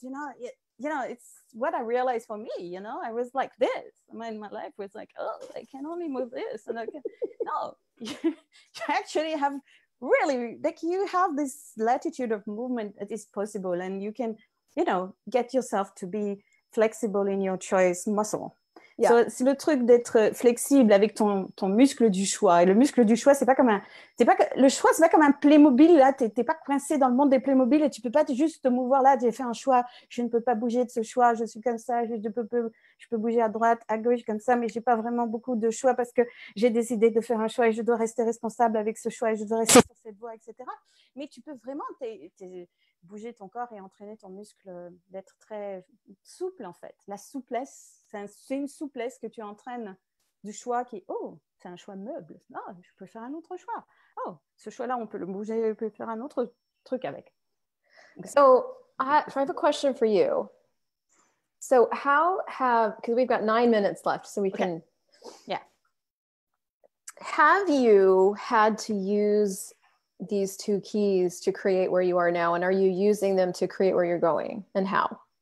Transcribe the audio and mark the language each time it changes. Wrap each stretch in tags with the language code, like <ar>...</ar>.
<en>You know, it's what I realized for me, you know, I was like this. My life was like, oh, I can only move this. And I can, no, you actually have really, like you have this latitude of movement that is possible and you can, you know, get yourself to be flexible in your choice muscle.</en> <fr>Yeah. So c'est le truc d'être flexible avec ton muscle du choix. Et le muscle du choix, c'est pas comme un Playmobil. Là, t'es pas coincé dans le monde des Playmobil et tu peux pas juste te mouvoir là. J'ai fait un choix. Je ne peux pas bouger de ce choix. Je suis comme ça. Je peux bouger à droite, à gauche, comme ça. Mais j'ai pas vraiment beaucoup de choix parce que j'ai décidé de faire un choix et je dois rester responsable avec ce choix et je dois rester sur cette voie, etc. Mais tu peux vraiment bouger ton corps et entraîner ton muscle d'être très souple, en fait. La souplesse, c'est une souplesse que tu entraînes du choix qui, oh, c'est un choix meuble. Oh, je peux faire un autre choix. Oh, ce choix-là, on peut le bouger, on peut faire un autre truc avec.</fr> <en>Okay. So, I have a question for you. So how have, because we've got 9 minutes left, so we can, yeah. Have you had to use these two keys to create where you are now? And are you using them to create where you're going, and how?</en>